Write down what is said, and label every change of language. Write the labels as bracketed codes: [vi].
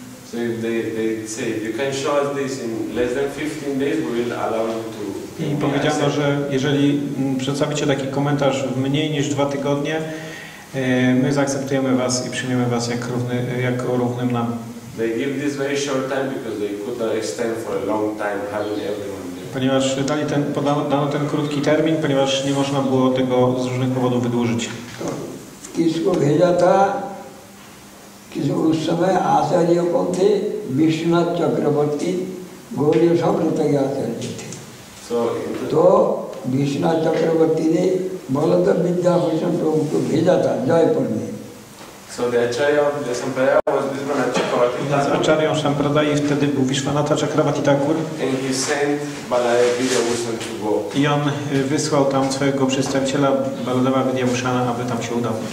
[en] So if they say if you can show us this in less than 15 days, we will allow you to. [pl] I powiedziano, że jeżeli przedstawicie taki komentarz w mniej niż 2 tygodnie, my zaakceptujemy was i przyjmiemy was jako równym nam. [en] They give this very short time because they could extend for a long time having everyone there. [pl] Ponieważ podano ten krótki termin, ponieważ nie można było tego z różnych powodów wydłużyć. [hi] Kisko bheja tha ki us samay acharya kon the Vishwanath Chakravarti Gaurya Samrata ke acharya the. तो विश्वनाथ चक्रवर्ती ने बलदेव विद्याभूषण प्रभु को भेजा था जयपुर में. [en] So the acharya of the sampradaya was Vishwanatha Chakravarti. [pl] Acharya of sampradaya wtedy był Vishwanatha Chakravarti Thakur. [en] And he sent Baladeva Vidyabhushana to go. [pl] I on wysłał tam swojego przedstawiciela Baladeva Vidyabhushana, aby tam się udał.